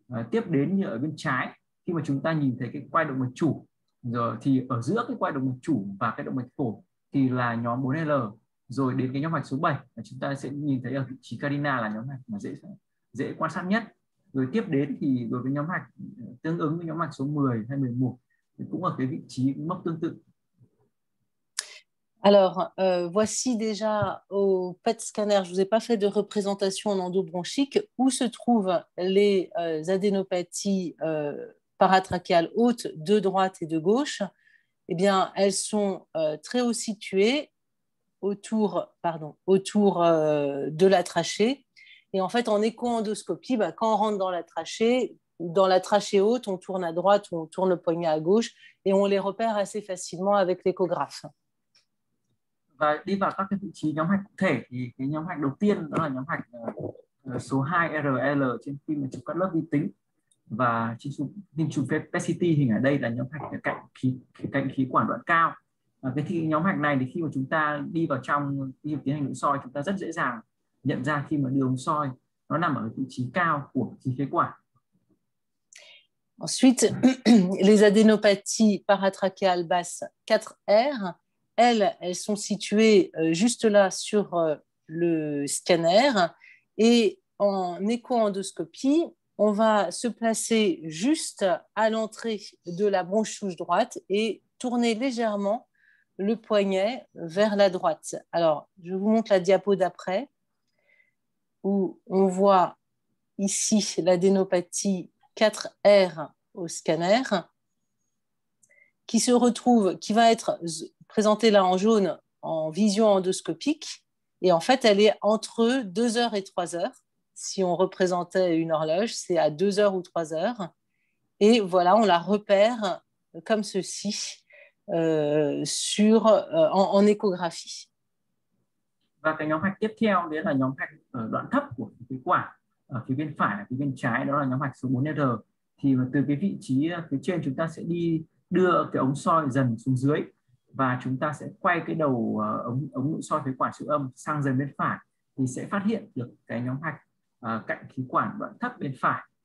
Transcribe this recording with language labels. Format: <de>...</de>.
<vi>Tiếp đến như ở bên trái, khi mà chúng ta nhìn thấy cái quai động mạch chủ rồi thì ở giữa cái quai động mạch chủ và cái động mạch phổi thì là nhóm 4L, rồi đến cái nhóm hạch số 7 là chúng ta sẽ nhìn thấy ở vị trí carina là nhóm hạch mà dễ quan sát nhất. Rồi tiếp đến thì đối với nhóm hạch tương ứng với nhóm hạch số 10 hay 11 thì cũng ở cái vị trí mốc tương tự.</vi> <fr>Alors, voici déjà au PET scanner, je vous ai pas fait de représentation en endobronchique, où se trouvent les adénopathies paratrachéales hautes de droite et de gauche. Eh bien, elles sont très haut situées autour de la trachée. Et en fait, en écho-endoscopie, bah, quand on rentre dans la trachée haute, on tourne à droite ou on tourne le poignet à gauche et on les repère assez facilement avec l'échographe.</fr> <vi>Và đi vào các cái vị trí nhóm hạch cụ thể thì cái nhóm hạch đầu tiên đó là nhóm hạch số 2RL trên phim chụp cắt lớp vi tính và trên chụp PET-CT hình ở đây là nhóm hạch cạnh khí quản đoạn cao. Và cái nhóm hạch này thì khi mà chúng ta đi vào trong khi tiến hành nội soi, chúng ta rất dễ dàng nhận ra khi mà đường soi nó nằm ở vị trí cao của khí phế quản.</vi> <fr>Ensuite, les adénopathies paratrachéales basses 4R, elles sont situées juste là sur le scanner. Et en écho-endoscopie, on va se placer juste à l'entrée de la branche souche droite et tourner légèrement le poignet vers la droite. Alors, je vous montre la diapo d'après, où on voit ici l'adénopathie 4R au scanner, qui se retrouve, qui va être présentée là en jaune en vision endoscopique. Et en fait, elle est entre 2h et 3h. Si on représentait une horloge, c'est à 2h ou 3h. Et voilà, on la repère comme ceci en échographie.</fr> <vi>Và cái nhóm hạch tiếp theo đấy là nhóm hạch đoạn thấp của phế quản ở phía bên phải, phía bên trái, đó là nhóm hạch số 4R. Thì từ cái vị trí phía trên chúng ta sẽ đi đưa cái ống soi dần xuống dưới và chúng ta sẽ quay cái đầu ống nội soi phế quản siêu âm sang dần bên phải thì sẽ phát hiện được cái nhóm hạch cạnh khí quản đoạn thấp bên phải.</vi>